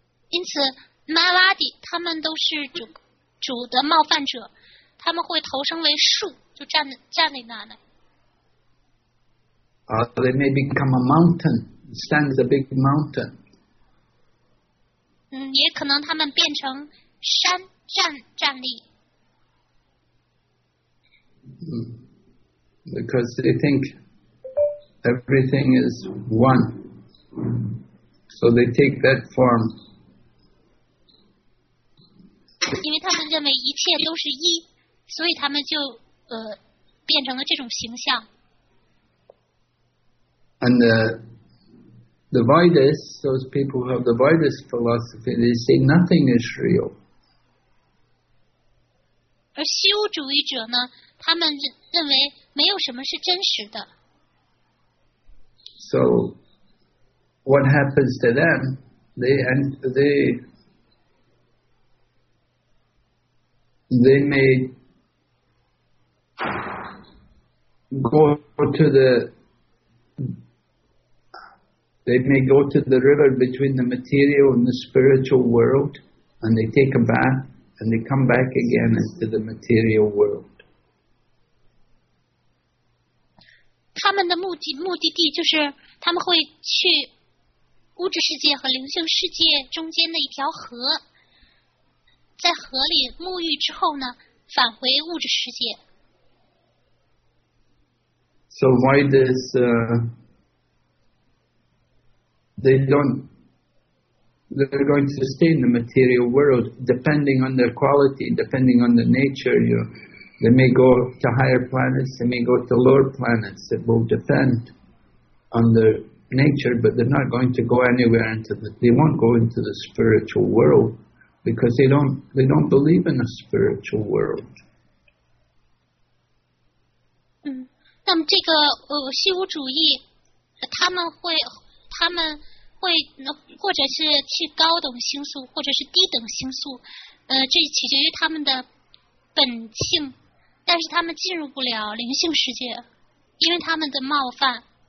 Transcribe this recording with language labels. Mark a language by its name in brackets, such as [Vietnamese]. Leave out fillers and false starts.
[Chinese] 因此 Mayavadi 他们都是 主的冒犯者，他们会投生为树，就站在那里。 [English] They may become a mountain, stand as a big mountain. [Chinese] 也可能他们变成山站立。 [English] Because they think everything is one, so they take that form. [Chinese] 因为他们认为一切都是一，所以他们就变成了这种形象。 [English] And the Vedas, those people who have the Vedas philosophy, they say nothing is real. [Chinese] 而虚无主义者呢，他们认为没有什么是真实的。 [English] So, what happens to them? They may go to the river between the material and the spiritual world, and they take a bath. And they come back again into the material world. [Chinese] 他们的目的地就是他们会去物质世界和灵性世界中间的一条河，在河里沐浴之后呢，返回物质世界。 [English] So why does they're going to stay in the material world depending on their quality, depending on the nature. You know, they may go to higher planets, they may go to lower planets. It will depend on their nature, but they're not going to go anywhere into the, they won't go into the spiritual world because they don't believe in a spiritual world. [Chinese] 那么这个虚无主义，他们会或者是去高等星宿，或者是低等星宿，这取决于他们的本性，但是他们进入不了灵性世界，因为他们的冒犯。